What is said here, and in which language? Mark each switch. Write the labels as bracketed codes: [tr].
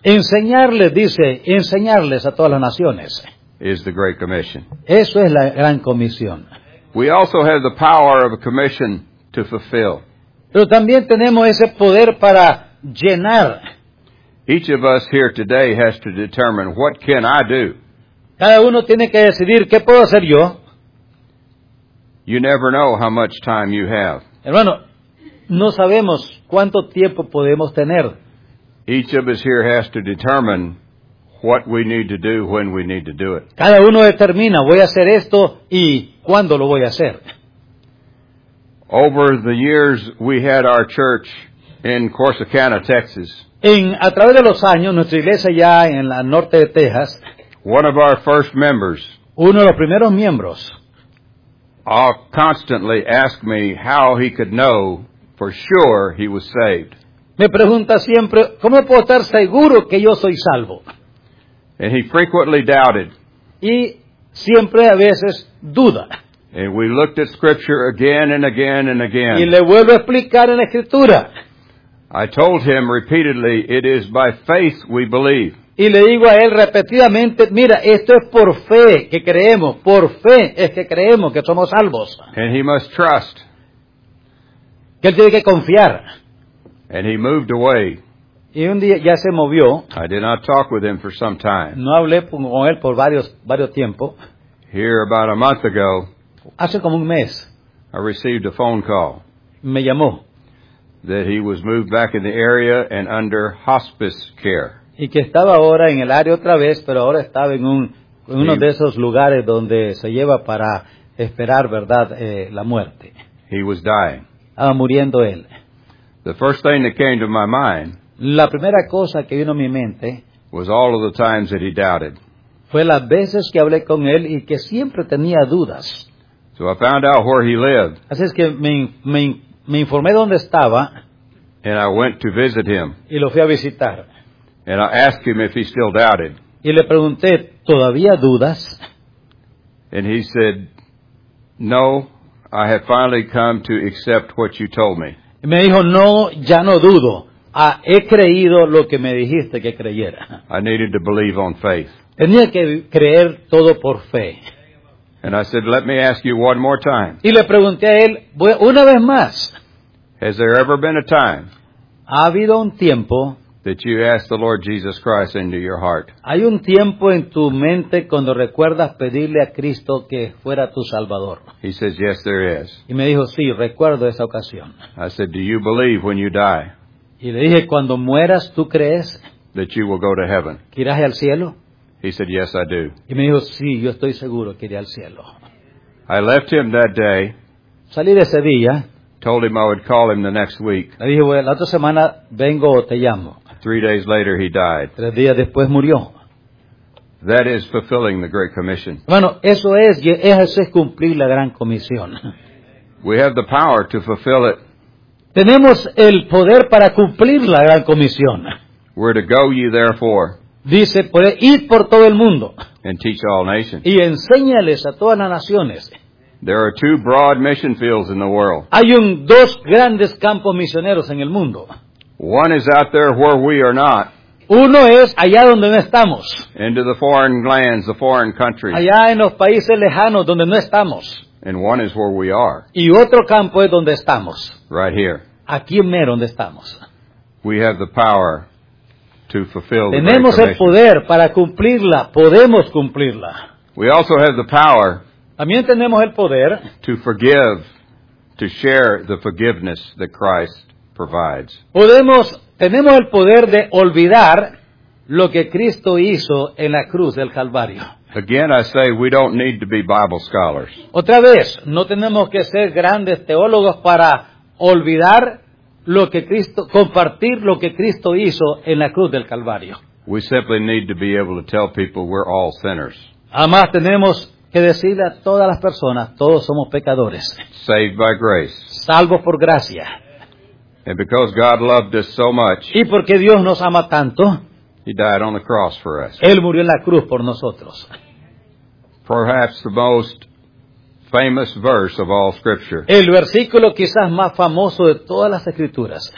[es] Enseñarles, dice, enseñarles a todas las naciones. [en] Is the Great Commission. [es] Eso es la Gran Comisión. [en] We also have the power of a commission to fulfill. [es] Pero también tenemos ese poder para llenar. [en] Each of us here today has to determine what can I do. [es] Cada uno tiene que decidir qué puedo hacer yo. [en] You never know how much time you have. [es] Hermano, no sabemos cuánto tiempo podemos tener. [en] Each of us here has to determine what we need to do when we need to do it. [es] Cada uno determina, voy a hacer esto y cuándo lo voy a hacer. [en] Over the years we had our church in Corsicana, Texas. [es] A través de los años, nuestra iglesia ya en la norte de Texas, [en] one of our first members, [es] uno de los primeros miembros, [en] constantly asked me how he could know for sure he was saved. [es] Me pregunta siempre, ¿cómo puedo estar seguro que yo soy salvo? [en] And he frequently doubted. [es] Y siempre a veces duda. [en] And we looked at scripture again and again and again. [es] Y le vuelvo a explicar en la escritura. [en] I told him repeatedly, it is by faith we believe. [es] Y le digo a él repetidamente, mira, esto es por fe que creemos, por fe es que creemos que somos salvos. [en] And he must trust. [es] Que él tiene que confiar. [en] And he moved away. [es] Y un día ya se movió. [en] I did not talk with him for some time. [es] No hablé con él por varios tiempo. [en] Here about a month ago. [es] Hace como un mes. [en] I received a phone call. [es] Me llamó. [en] That he was moved back in the area and under hospice care. [es] Y que estaba ahora en el área otra vez, pero ahora estaba en uno de esos lugares donde se lleva para esperar, ¿verdad?, la muerte. [en] He was dying. [es] Estaba muriendo él. [en] The first thing that came to my mind, [es] la primera cosa que vino a mi mente, [en] was all of the times that he doubted. [es] Fue las veces que hablé con él y que siempre tenía dudas. [en] So I found out where he lived. [es] Así es que me informé dónde estaba. [en] And I went to visit him. [es] Y lo fui a visitar. [en] And I asked him if he still doubted. [es] Y le pregunté, ¿todavía dudas? [en] And he said, no, I have finally come to accept what you told me. [es] Y me dijo, no, ya no dudo. He creído lo que me dijiste que creyera. [en] I needed to believe on faith. [es] Tenía que creer todo por fe. [en] And I said, let me ask you one more time. [es] Y le pregunté a él, una vez más. [en] Has there ever been a time? [es] Ha habido un tiempo. [en] That you ask the Lord Jesus Christ into your heart. [es] Hay un tiempo en tu mente cuando recuerdas pedirle a Cristo que fuera tu Salvador. [en] He says, yes, there is. [es] Y me dijo, sí, recuerdo esa ocasión. [en] I said, do you believe when you die? [es] Y le dije, cuando mueras, ¿tú crees? [en] That you will go to heaven. [es] ¿Que irás al cielo? [en] He said, yes, I do. [es] Y me dijo, sí, yo estoy seguro que iré al cielo. [en] I left him that day. [es] Salí de Sevilla. [en] Told him I would call him the next week. [es] Le dije, bueno, la otra semana vengo o te llamo. [en] 3 days later, he died. [es] 3 días después murió. [en] That is fulfilling the Great Commission. [es] Bueno, eso es cumplir la Gran Comisión. [en] We have the power to fulfill it. [es] Tenemos el poder para cumplir la Gran Comisión. [en] We're to go, ye therefore. [es] Dice, ir por todo el mundo. [en] And teach all nations. [es] Y enséñales a todas las naciones. [en] There are two broad mission fields in the world. [es] Hay dos grandes campos misioneros en el mundo. [en] One is out there where we are not. [es] Uno es allá donde no estamos. [en] Into the foreign lands, the foreign countries. [es] Allá en los países lejanos donde no estamos. [en] And one is where we are. [es] Y otro campo es donde estamos. [en] Right here. [es] Aquí mero donde estamos. [en] We have the power to fulfill the Great Commission. [es] Tenemos el poder para cumplirla. Podemos cumplirla. [en] We also have the power. [es] También tenemos el poder [en] to forgive, to share the forgiveness that Christ provides. [es] Podemos, tenemos el poder de olvidar lo que Cristo hizo en la cruz del Calvario. [en] Again, I say we don't need to be Bible scholars. [es] Otra vez, no tenemos que ser grandes teólogos para olvidar lo que Cristo, compartir lo que Cristo hizo en la cruz del Calvario. [en] We simply need to be able to tell people we're all sinners. [es] Además, tenemos que decirle a todas las personas, todos somos pecadores. [en] Saved by grace. [es] Salvos por gracia. [en] And because God loved us so much. [es] Y porque Dios nos ama tanto. [en] He died on the cross for us. [es] Él murió en la cruz por nosotros. [en] Perhaps the most famous verse of all scripture. [es] El versículo quizás más famoso de todas las escrituras.